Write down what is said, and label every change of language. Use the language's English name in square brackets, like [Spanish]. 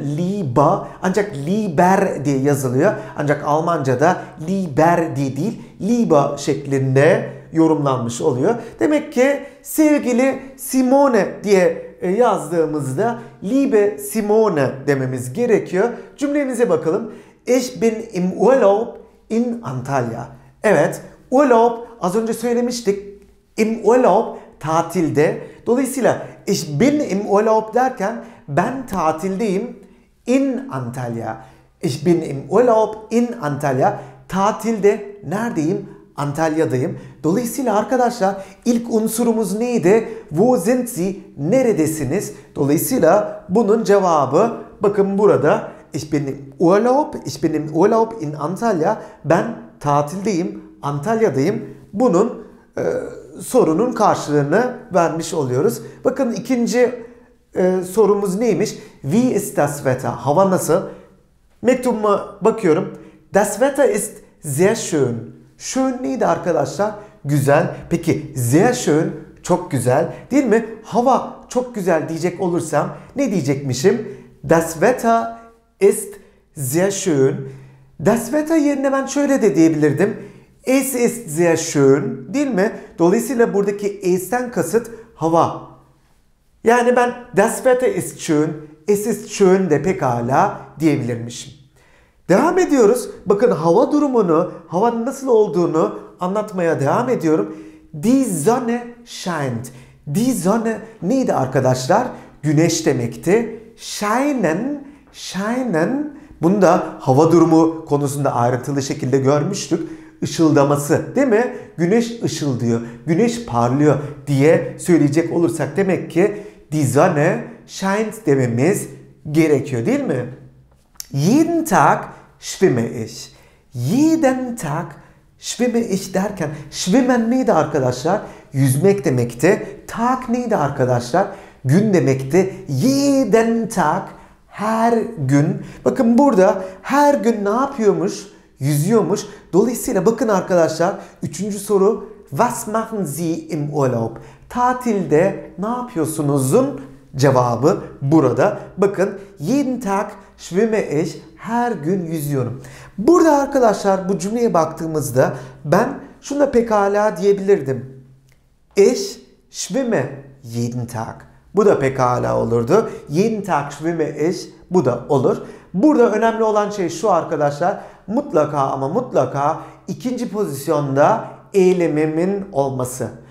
[Turkish] Liebe, ancak Lieber diye yazılıyor. Ancak Almanca'da Lieber diye değil, Liebe şeklinde yorumlanmış oluyor. Demek ki sevgili Simone diye yazdığımızda Liebe Simone dememiz gerekiyor. Cümlemize bakalım. [German] Ich bin im Urlaub in Antalya. [Turkish] Evet, Urlaub, az önce söylemiştik. Im Urlaub, tatilde. Dolayısıyla [German] ich bin im Urlaub [Turkish] derken ben tatildeyim in Antalya. [German] Ich bin im Urlaub in Antalya. [Turkish] Tatilde neredeyim? Antalya'dayım. Dolayısıyla arkadaşlar ilk unsurumuz neydi? [German] Wo sind Sie? [Turkish] Neredesiniz? Dolayısıyla bunun cevabı bakın burada. [German] Ich bin im Urlaub. Ich bin im Urlaub in Antalya. [Turkish] Ben tatildeyim. Antalya'dayım. Bunun sorunun karşılığını vermiş oluyoruz. Bakın ikinci sorumuz neymiş? [German] Wie ist das Wetter? [Turkish] Hava nasıl? Mektubuma bakıyorum. [German] Das Wetter ist sehr schön. [Turkish] Schön neydi arkadaşlar? Güzel. Peki sehr schön çok güzel değil mi? Hava çok güzel diyecek olursam ne diyecekmişim? [German] Das Wetter ist sehr schön. [Turkish] Das Wetter yerine ben şöyle de diyebilirdim. [German] Es ist sehr schön [Turkish] değil mi? Dolayısıyla buradaki es'ten kasıt hava. Yani ben [German] das Wetter ist schön, es ist schön [Turkish] de pekala diyebilirmişim. Devam ediyoruz. Bakın hava durumunu, havanın nasıl olduğunu anlatmaya devam ediyorum. [German] Die Sonne scheint. Die Sonne [Turkish] neydi arkadaşlar? Güneş demekti. Scheinen, scheinen. Bunu da hava durumu konusunda ayrıntılı şekilde görmüştük. Işıldaması değil mi? Güneş ışıldıyor, güneş parlıyor diye söyleyecek olursak demek ki [German] Die Sonne scheint [Turkish] dememiz gerekiyor değil mi? [German] Jeden Tag schwimme ich. Jeden Tag schwimme ich [Turkish] derken [German] schwimmen [Turkish] neydi arkadaşlar? Yüzmek demekti. Tag neydi arkadaşlar? Gün demekti. [German] Jeden Tag [Turkish] her gün. Bakın burada her gün ne yapıyormuş? Yüzüyormuş. Dolayısıyla bakın arkadaşlar üçüncü soru [German] Was machen Sie im Urlaub? [Turkish] Tatilde ne yapıyorsunuzun cevabı burada. Bakın [German] Jeden Tag schwimme ich. [Turkish] Her gün yüzüyorum. Burada arkadaşlar bu cümleye baktığımızda ben şunu da pekala diyebilirdim. [German] Ich schwimme jeden Tag. [Turkish] Bu da pekala olurdu. [German] Jeden Tag schwimme ich. [Turkish] Bu da olur. Burada önemli olan şey şu arkadaşlar. Mutlaka ama mutlaka ikinci pozisyonda eylemimin olması.